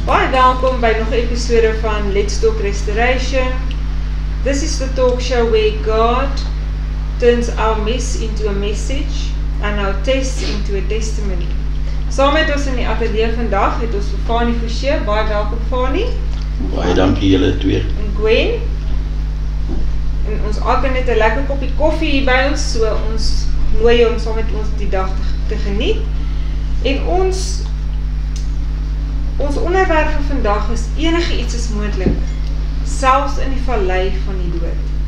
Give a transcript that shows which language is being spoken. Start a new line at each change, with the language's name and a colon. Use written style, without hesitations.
Afrikaans: welkom bij nog een episode van Let's Talk Restoration.
English: This is the talk show where God turns our mess into a message and our test into a testimony.
Afrikaans: Saam met ons in die ateljee vandag het ons vir Fani Forsie. Baie welkom, Fani. Baie dankie julle twee. En Gwen. En ons alkeen het 'n lekker koppie koffie hier by ons, so ons nooi jou om saam met ons die dag te geniet. En ons onderwerp van vandag is enige iets is moontlik, selfs in die vallei van die dood.